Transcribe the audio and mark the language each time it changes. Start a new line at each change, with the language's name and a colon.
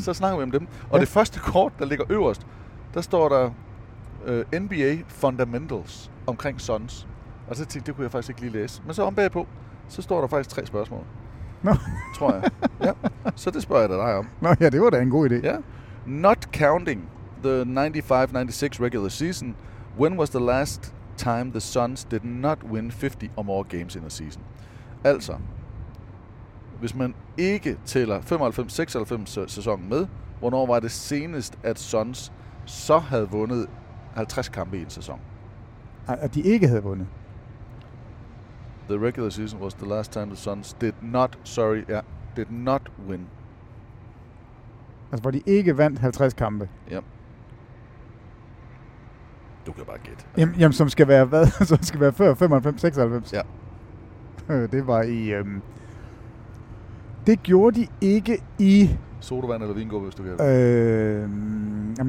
Danish: Så snakker vi om dem. Og ja. Det første kort, der ligger øverst, der står der... NBA Fundamentals omkring Suns. Og så tænkte jeg, det kunne jeg faktisk ikke lige læse. Men så om bagpå, så står der faktisk tre spørgsmål. Nå. Tror jeg. Ja. Så det spørger jeg dig om. Nå ja, det var da en god idé. Ja.
English: Not counting the 95-96 regular season, when was the last time the Suns did not win 50 or more games in a season?
Danish: Altså, hvis man ikke tæller 95-96 sæsonen med, hvornår var det senest, at Suns så havde vundet 50 kampe i en sæson. At de ikke havde vundet.
English: The regular season was the last time the Suns did not win.
Danish: Altså hvor de ikke vandt 50 kampe. Ja. Yep. Du kan bare gætte. Jamen som skal være hvad? Som skal være før 95-96. Ja. Det var i det gjorde de ikke i sodavand eller vingummi, hvis du kan.